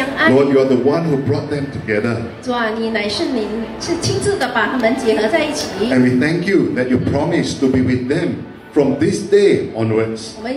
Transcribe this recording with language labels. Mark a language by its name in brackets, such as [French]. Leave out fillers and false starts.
[English] Lord, you are the one who brought them together. [Chinese] 主啊,你乃是您,是亲自地把他们结合在一起。 [English] And we thank you that you promised to be with them from this day onwards.